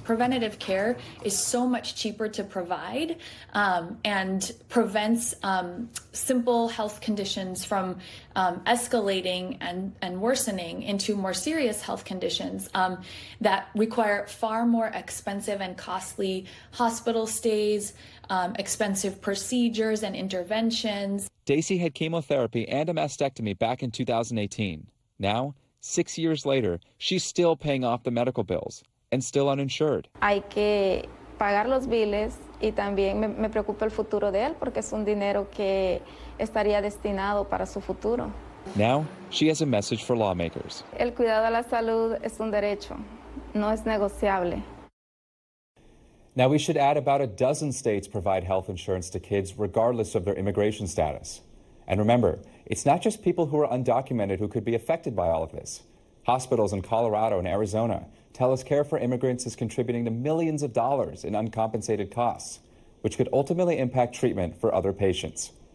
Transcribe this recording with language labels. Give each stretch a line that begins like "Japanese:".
English: Preventative care is so much cheaper to provide and prevents simple health conditions from escalating and worsening into more serious health conditions that require far more expensive and costly hospital stays, expensive procedures and interventions. Stacy had chemotherapy and a mastectomy back in 2018. Now, 6 years later, she's still paying off the medical bills and still uninsured.
Spanish: Hay que pagar los biles y también me preocupa el futuro de él porque es un dinero que estaría destinado para su futuro.
English: Now, she has a message for lawmakers.
Spanish: El cuidado a la salud es un derecho, no es negociable.
English: Now, we should add about a dozen states provide health insurance to kids regardless of their immigration status. And remember, it's not just people who are undocumented who could be affected by all of this. Hospitals in Colorado and Arizona tell us care for immigrants is contributing to millions of dollars in uncompensated costs, which could ultimately impact treatment for other patients.